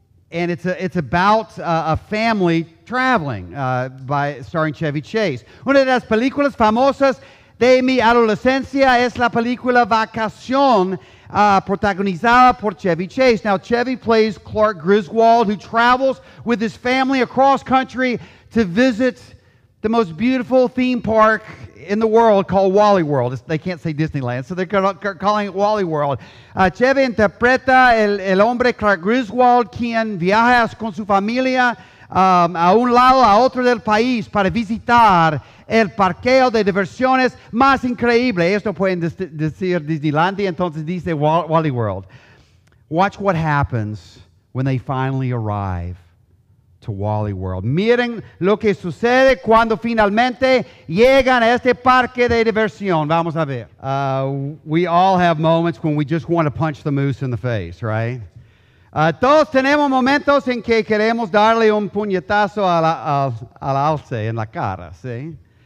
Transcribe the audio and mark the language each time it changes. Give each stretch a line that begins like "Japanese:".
English: And it's about a family traveling by starring Chevy Chase.
Spanish: Una de las películas famosas de mi adolescencia es la película Vacación, protagonizada por Chevy Chase.
English: Now, Chevy plays Clark Griswold, who travels with his family across country to visit the most beautiful theme park in the world called Wally World. They can't say Disneyland, so they're calling it Wally World.
Spanish: Chevy interpreta el hombre Clark Griswold, quien viaja con su familia a un lado a otro del país para visitar el parqueo de diversiones más increíble. Esto pueden decir Disneyland, entonces dice Wally World.
English: Watch what happens when they finally arrive to Wally World.
Spanish: Miren lo que sucede cuando finalmente llegan a este parque de diversión. Vamos a ver.
English: We all have moments when we just want to punch the moose in the face, right?
Spanish: Todos tenemos momentos en que queremos darle un puñetazo al alce en la cara, ¿sí?